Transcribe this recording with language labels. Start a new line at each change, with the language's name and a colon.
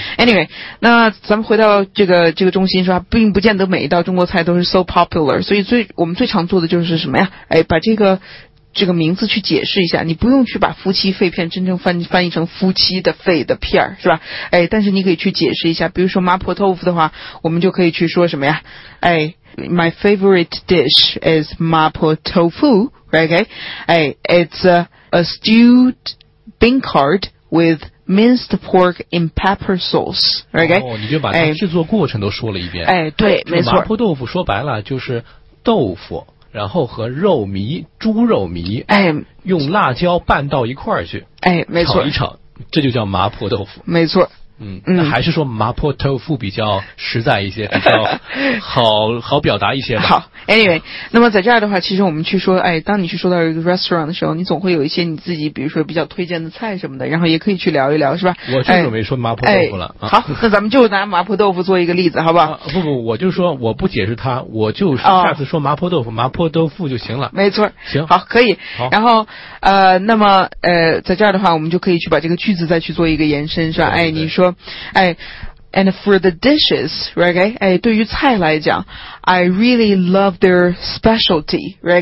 Chinese: ，anyway， 那咱们回到这个中心是吧？并不见得每一道中国菜都是
English: so popular，
Chinese: 所以我们最常做的就是什么呀？哎，把这个名字去解释一下，你不用去把夫妻肺片真正翻译成夫妻的肺的片是吧？哎，但是你可以去解释一下，比如说麻婆豆腐的话，我们就可以去说什么呀？
English: 哎。My favorite dish is 麻婆豆腐 right? Okay? Hey, it's a stewed bean curd with minced pork and pepper sauce, right? Okay?
Chinese: 哦，你就把它制作过程都说了一遍。哎，对，没错。麻婆豆腐说白了就是豆腐，然后和肉糜，猪肉糜，哎，用辣椒拌到一块儿去，哎，没错，炒一炒，这就叫麻婆豆腐。没错。嗯，那还是说麻婆豆腐比较实在一些，比较好表达一些吧。好 ，anyway， 那么在这儿的话，其实我们去说，哎，当你去说到一个 restaurant 的时候，你总会有一些你自己，比如说比较推荐的菜什么的，然后也可以去聊一聊，是吧？我就准备说麻婆豆腐了、哎哎。好，那咱们就拿麻婆豆腐做一个例子，好不好？啊、不，我就说我不解释它，我就下次说麻婆豆腐、麻婆豆腐就行了。没错，行，好，可以。好，然后那么在这儿的话，我们就可以去把这个句子再去做一个延伸，是吧？对对对，哎，你说。哎
English: ，and for the dishes, right? Okay?
Chinese: 哎，对于菜来讲
English: ，I really love their specialty, right?